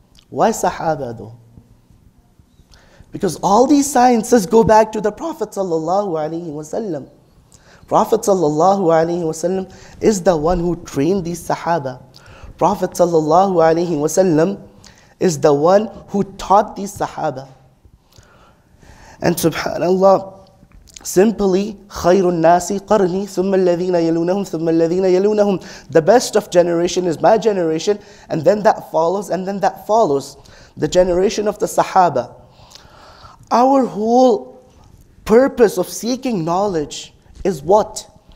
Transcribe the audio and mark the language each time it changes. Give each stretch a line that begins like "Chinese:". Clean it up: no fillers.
English: Why Sahaba though? Because all these sciences go back to the Prophet sallallahu alaihi wasallam. Prophet sallallahu alaihi wasallam is the one who trained these Sahaba. Prophet sallallahu alaihi wasallam is the one who taught these Sahaba.
Arabic: And subhanallah, simply, خَيْرُ النَّاسِ قَرْنِي ثُمَّ الَّذِينَ يَلُونَهُمْ ثُمَّ الَّذِينَ يَلُونَهُمْ.
English: The best of generation is my generation, and then that follows, and then that follows. The generation of the Sahaba. Our whole purpose of seeking knowledge is what?